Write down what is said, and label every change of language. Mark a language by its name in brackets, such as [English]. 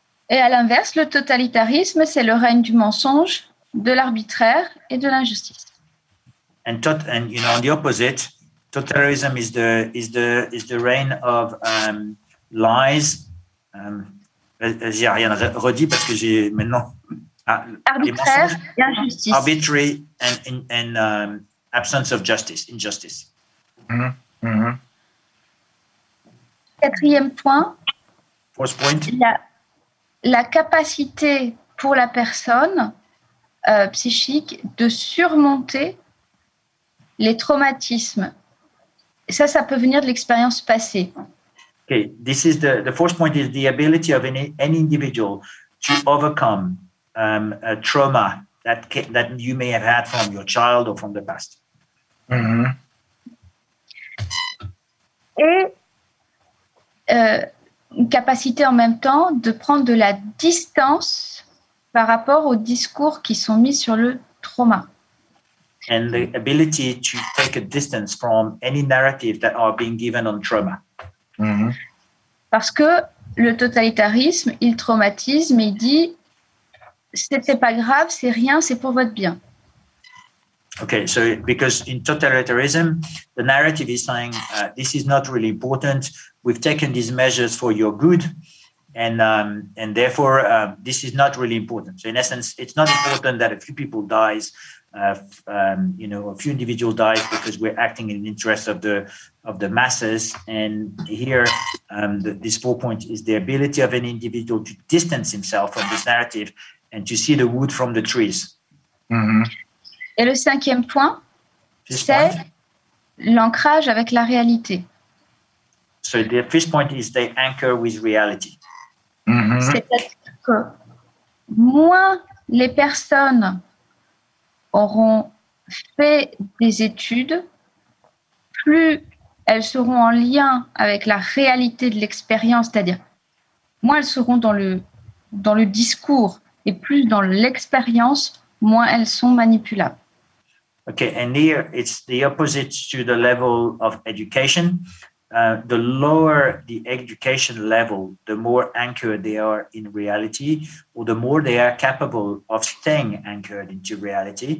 [French] Et à l'inverse, le totalitarisme, c'est le règne du mensonge, de l'arbitraire et de l'injustice. [English] And you know, on the opposite, totalitarianism is the reign of lies. [French] Redis parce que j'ai maintenant arbitraire et injustice. [English] Arbitrary and absence of justice, injustice. Mm-hmm. [French] Quatrième point. [English] Fourth point. [French] La capacité pour la personne psychique de surmonter les traumatismes. Ça peut venir de l'expérience passée. [English] Okay, this is the fourth point is the ability of any individual to overcome a trauma that you may have had from your child or from the past. Mm-hmm. [French] Et une capacité en même temps de prendre de la distance par rapport aux discours qui sont mis sur le trauma. [English] And the ability to take a distance from any narrative that are being given on trauma. Mm-hmm. [French] Parce que le totalitarisme, il traumatise, mais il dit c'était pas grave, c'est rien, c'est pour votre bien. [English] Okay, so because in totalitarianism, the narrative is saying this is not really important. We've taken these measures for your good, and therefore this is not really important. So in essence, it's not important that a few people dies, a few individuals dies because we're acting in the interest of the masses. And here, this fourth point is the ability of an individual to distance himself from this narrative and to see the wood from the trees. Mm-hmm. [French] Et le cinquième point, c'est l'ancrage avec la réalité. [English] So the fifth point is the anchor with reality. Mm-hmm. [French] C'est-à-dire que moins les personnes auront fait des études, plus elles seront en lien avec la réalité de l'expérience, c'est-à-dire moins elles seront dans le discours et plus dans l'expérience, moins elles sont manipulables. [English] Okay, and here it's the opposite to the level of education. The lower the education level, the more anchored they are in reality, or the more they are capable of staying anchored into reality.